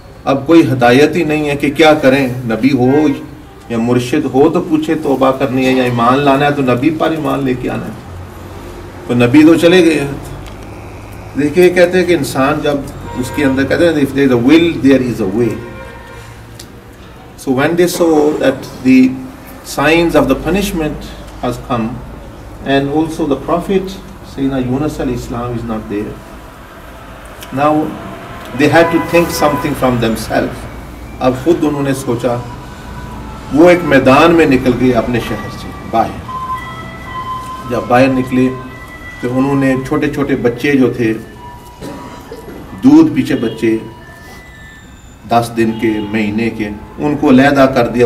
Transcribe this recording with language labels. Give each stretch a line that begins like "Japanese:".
Urdu: اب کوئی ہدایت ہی نہیں ہے کہ کیا کریں. نبی ہو یا مرشد ہو تو پوچھے توبہ کرنی ہے, یا ایمان لانا ہے تو نبی پر ایمان لے کے آنا ہے. تو نبی تو چلے گئے. دیکھیے کہتے ہیں کہ انسان جب اس کے اندر, کہتے ہیں
English: if there is a will there is a way. So when they saw that the signs of the punishment has come and also the prophet Sayyidina Yunus al-Islam is not there, now they had to think something from themselves.
Urdu: اب خود انہوں نے سوچا, وہ ایک میدان میں نکل گئے اپنے شہر سے باہر. جب باہر نکلے تو انہوں نے چھوٹے چھوٹے بچے جو تھے, دودھ پیچھے بچے 10 دن کے مہینے کے, ان کو علیحدہ کر دیا.